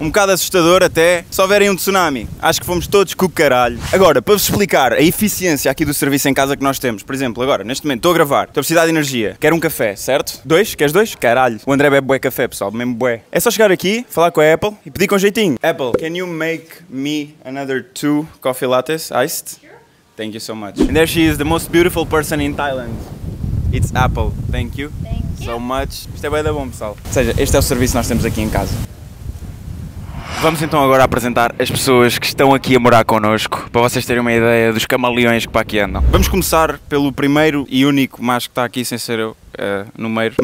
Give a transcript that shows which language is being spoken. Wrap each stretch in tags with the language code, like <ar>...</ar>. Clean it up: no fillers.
<pt>Um bocado assustador até. Se houverem um tsunami, acho que fomos todos com o caralho. Agora, para vos explicar a eficiência aqui do serviço em casa que nós temos. Por exemplo, agora, neste momento, estou a gravar. Estou a precisar de energia. Quero um café, certo? Dois? Queres dois? Caralho. O André bebe bué café, pessoal. Mesmo bué. É só chegar aqui, falar com a Apple e pedir com jeitinho.</pt> <en>Apple, can you make me another 2 coffee lattes iced? Sure. Thank you so much. And there she is, the most beautiful person in Thailand. It's Apple. Thank you. Thank you. So much.</en> <pt>Isto é bem da bom, pessoal. Ou seja, este é o serviço que nós temos aqui em casa. Vamos então agora apresentar as pessoas que estão aqui a morar connosco, para vocês terem uma ideia dos camaleões que para aqui andam. Vamos começar pelo primeiro e único macho que está aqui, sem ser eu, no meio.</pt>